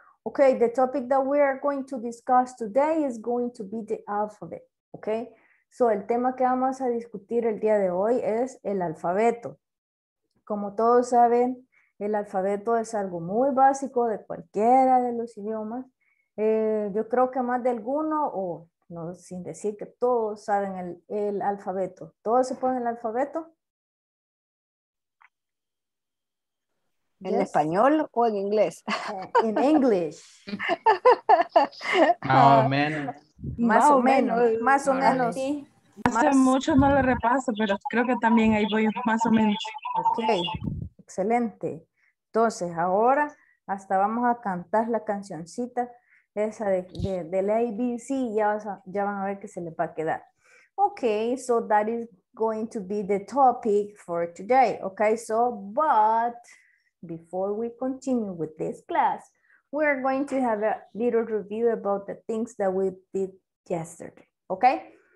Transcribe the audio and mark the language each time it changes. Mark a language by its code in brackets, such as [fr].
[en] Okay, the topic that we are going to discuss today is going to be the alphabet, okay? [es] So, el tema que vamos a discutir el día de hoy es el alfabeto. Como todos saben, el alfabeto es algo muy básico de cualquiera de los idiomas. Yo creo que más de alguno, no, sin decir que todos saben el alfabeto. ¿Todos se ponen el alfabeto? ¿En yes. español o en inglés? En inglés. Más o menos. Más o menos. Más o menos. Hace mucho no lo repaso, pero creo que también ahí voy más o menos. Ok, excelente. Entonces, ahora hasta vamos a cantar la cancioncita esa del ABC. Ya van a ver que se les va a quedar. [en] Ok, so that is going to be the topic for today. Ok, so, but... Before we continue with this class, we are going to have a little review about the things that we did yesterday, okay?